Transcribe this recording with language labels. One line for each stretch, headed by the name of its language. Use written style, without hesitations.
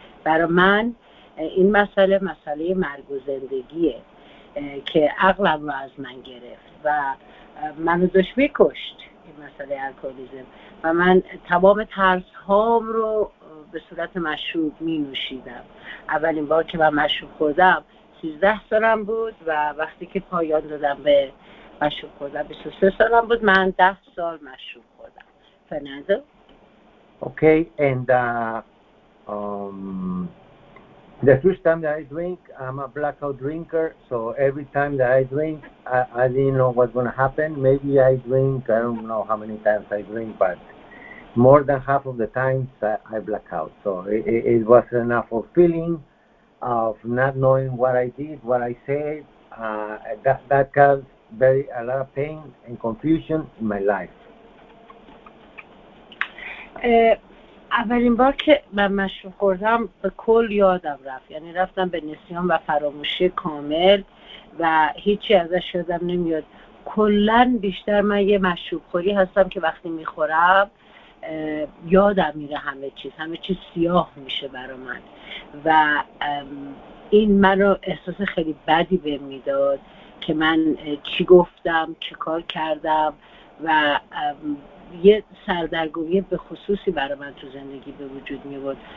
Persian: برای من این مسئله مرگ و زندگیه که عقلم رو از من گرفت و منو داشت میکشت، این مسئله الکلیزم، و من تمام ترس هام رو به صورت مشروب می نوشیدم. اولین بار که من مشروب خوردم 13 سالم بود و وقتی که پایان دادم به مشروب خوردم 23 سالم بود. من 10 سال مشروب خوردم. فرناندو؟
English: Okay, and the first time that I drink, I'm a blackout drinker, so every time that I drink, I didn't know what's going to happen. Maybe I drink, I don't know how many times I drink, but more than half of the times I black out. So it was an awful feeling of not knowing what I did, what I said. That caused a lot of pain and confusion in my life.
Persian: اولین بار که من مشروب خوردم به کل یادم رفت، یعنی رفتم به نسیان و فراموشی کامل و هیچی ازش یادم نمیاد. کلن بیشتر من یه مشروب خوری هستم که وقتی میخورم یادم میره همه چیز سیاه میشه برا من و این منو احساس خیلی بدی بهم میداد که من چی گفتم، چه کار کردم و یه سردرگمی به خصوصی برا من تو زندگی به وجود میورد.